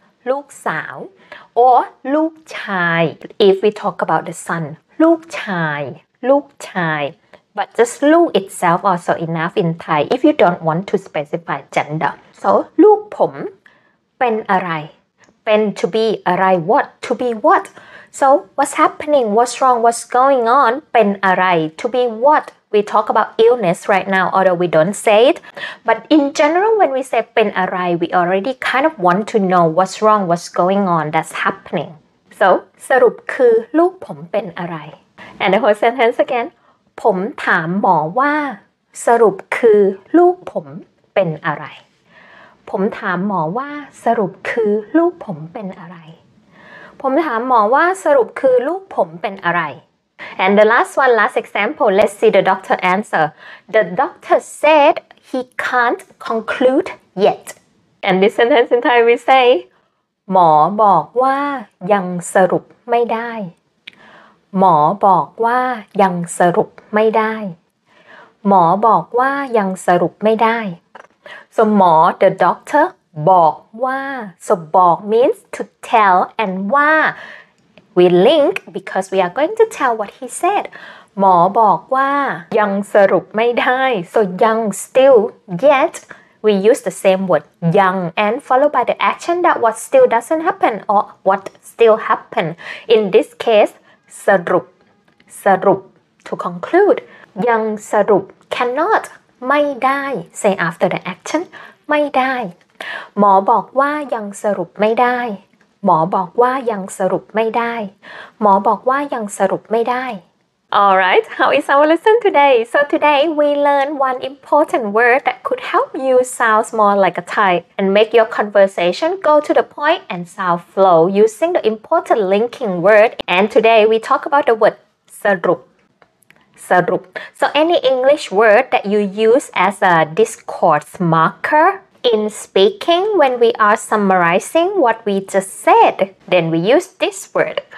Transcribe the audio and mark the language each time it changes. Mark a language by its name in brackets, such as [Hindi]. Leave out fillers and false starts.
[English] ลูกสาว or ลูกชาย if we talk about the son ลูกชายลูกชาย but just ลูก itself also enough in Thai if you don't want to specify gender so [Thai] ลูกผมเป็นอะไรเป็น [English] to be อะไร what to be what so what's happening what's wrong what's going on เป็นอะไร to be whatWe talk about illness right now, although we don't say it. But in general, when we say [Thai] เป็นอะไร, [English] we already kind of want to know what's wrong, what's going on, that's happening. So, [Thai] สรุปคือลูกผมเป็นอะไร? [English] And the whole sentence again. [Thai] ผมถามหมอว่าสรุปคือลูกผมเป็นอะไร? ผมถามหมอว่าสรุปคือลูกผมเป็นอะไร? ผมถามหมอว่าสรุปคือลูกผมเป็นอะไร [English] And the last one, last example, let's see the doctor answer. The doctor said he can't conclude yet. And this sentence in Thai we say, [Thai] หมอบอกว่ายังสรุปไม่ได้หมอบอกว่ายังสรุปไม่ได้หมอบอกว่ายังสรุปไม่ได้ [English] So หมอ the doctor บอกว่า So บอก means to tell and ว่าWe link because we are going to tell what he said. [Thai] หมอบอกว่ายังสรุปไม่ได้. [English] So young, still, yet, we use the same word young and followed by the action that what still doesn't happen or what still happen. In this case, สรุป, สรุป, to conclude. [Thai] ยังสรุป [English] cannot ไม่ได้ say after the action ไม่ได้ [Thai] หมอบอกว่ายังสรุปไม่ได้หมอบอกว่ายังสรุปไม่ได้หมอบอกว่ายังสรุปไม่ได้ [English] Alright, how is our lesson today? So today we learned one important word that could help you sound more like a Thai and make your conversation go to the point and sound flow using the important linking word. And today we talk about the word sarup. Sarup. So any English word that you use as a discourse marker in speaking when we are summarizing what we just said, then we use this word.